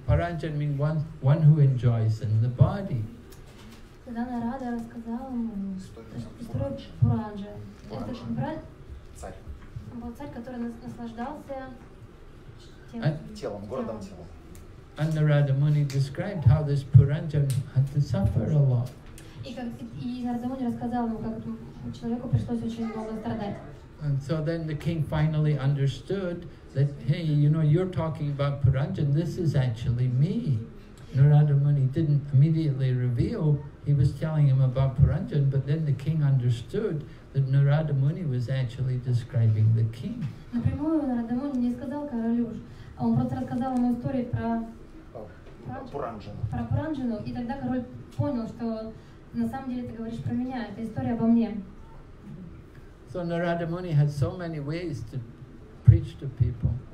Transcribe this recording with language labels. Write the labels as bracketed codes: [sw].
[en] Puranjan means one who enjoys in the body. [ru] Тогда Нарада рассказал ему, что Пуранджа. Это брат? Царь. Он был царь, который наслаждался телом, городом телом. [en] And Narada Muni described how this Puranjan had to suffer a lot. [ru] И Narada Muni рассказал ему, как человеку пришлось очень много страдать. [en] And so then the king finally understood that, hey, you know, you're talking about Puranjan, this is actually me. Narada Muni didn't immediately reveal he was telling him about Puranjan, but then the king understood that Narada Muni was actually describing the king. [ru] Напрямую Narada Muni не сказал королю. Он просто рассказал ему историю про Пуранджану. Про Пуранджану, и тогда король понял, что на самом деле ты говоришь про меня, это история обо мне. [en] So Narada Muni had so many ways to preach to people.